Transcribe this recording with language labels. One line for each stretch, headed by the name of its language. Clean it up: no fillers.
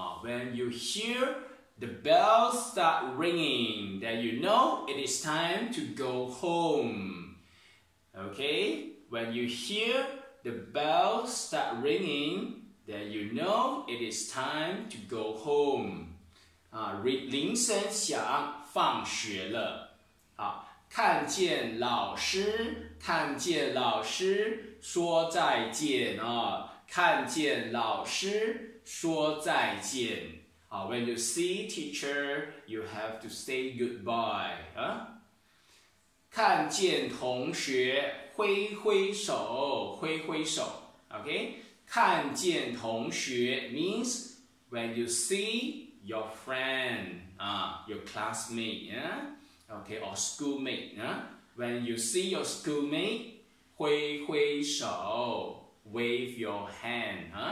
English: When you hear the bells start ringing, then you know it is time to go home. Okay? When you hear the bells start ringing, then you know it is time to go home.
Chinese: 铃声响，放学了。看见老师，看见老师说再见啊，看见老师说再见。
English: When you see teacher, you have to say goodbye.
Chinese: 看见同学挥挥手，挥挥手。
English: Okay?
Chinese: 看见同学
English: means when you see your friend, your classmate, okay, or schoolmate. When you see your schoolmate,
Chinese: 挥挥手，
English: wave your hand.